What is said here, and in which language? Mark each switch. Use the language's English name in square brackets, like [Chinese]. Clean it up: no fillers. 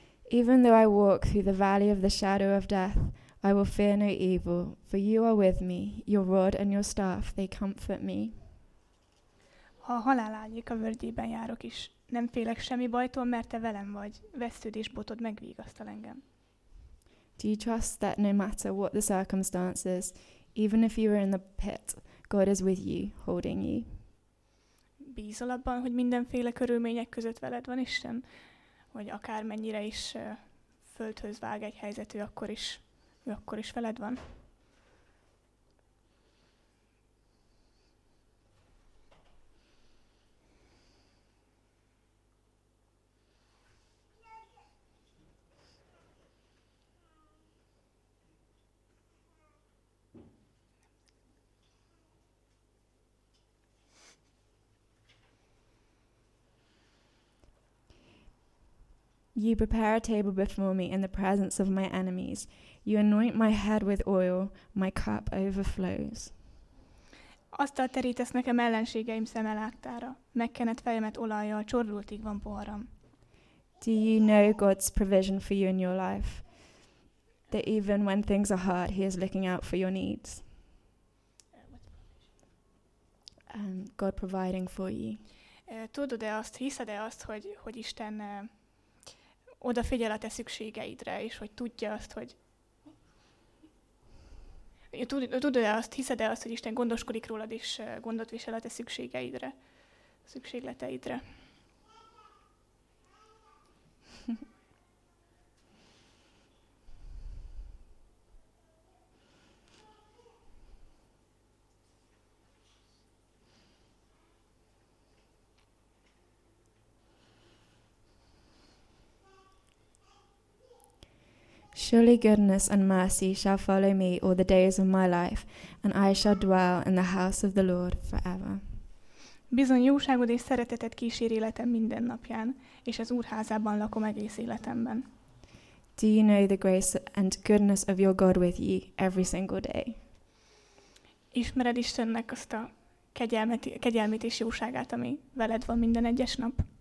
[English] Even though I walk through the valley of the shadow of death, I will fear no evil, for you are with me. Your rod and your staff, they comfort me. [Hungarian] Ha a halál árnyéka völgyében járok is, nem félek semmi bajtól, mert te velem vagy. Vesztőd és botod megvigasztal engem. [English] Do you trust that no matter what the circumstances, even if you are in the pit, God is with you, holding you? [Hungarian] Bízol abban, hogy mindenféle körülmények között veled van Isten? Vagy akármennyire is földhöz vág egy helyzet, ő akkor is veled van. [English] You prepare a table before me in the presence of my enemies. You anoint my head with oil. My cup overflows. [Hungarian] Asztalt terítesz nekem ellenségeim szeme láttára. Megkened fejemet olajjal, csordultig van poharam. [English] Do you know God's provision for you in your life? That even when things are hard, he is looking out for your needs. God providing for you. [Hungarian] Tudod-e azt, hiszed-e azt, hogy Isten... odafigyel a te szükségeidre, és hogy tudja azt, hogy... Tudod-e azt, hiszed-e azt, hogy Isten gondoskodik rólad, és gondot visel a te szükségeidre, szükségleteidre? [English] Surely goodness and mercy shall follow me all the days of my life, and I shall dwell in the house of the Lord forever. [Hungarian] Bizony jóságod és szereteted kísér életem minden napján, és az Úrházában lakom egész életemben. [English] Do you know the grace and goodness of your God with you every single day? [Hungarian] Ismered Istennek azt a kegyelmét és jóságát, ami veled van minden egyes nap?